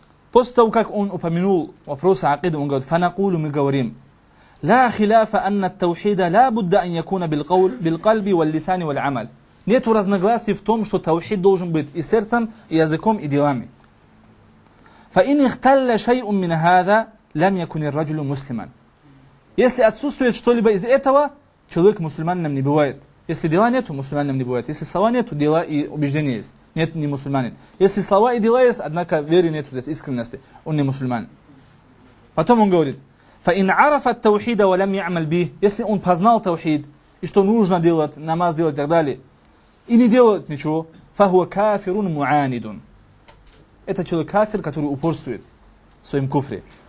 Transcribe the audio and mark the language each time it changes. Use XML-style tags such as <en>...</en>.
<ru>После того, как он упомянул вопрос о акиде, он говорит, фанакулу, мы говорим,</ru> <ar>لا خلاف أن التوحيد لا بد أن يكون بالقول بالقلب واللسان والعمل.</ar> <ru>Нету разногласий в том, что توحيد должен быть и сердцем, и языком, и делами.</ru> <ar>فإن اختل شيء من هذا لم يكن الرجل مسلما.</ar> <ru>Если отсутствует что-либо из этого, человек мусульманином не бывает. Если дела нету, мусульманином не бывает. Если слова нету, дела и убеждения есть. Нет, не мусульманин. Если слова и дела есть, однако веры нету здесь, искренности, он не мусульман. Потом он говорит,</ru> <ar>فإن عرف التوحيد ولم يعمل به,</ar> <ru>если он познал توحيد и что нужно делать, намаз делать и так далее, и не делает ничего,</ru> <ar>فهو كافر معاند,</ar> <ru>это человек кафир, который упорствует в своем куфре.</ru>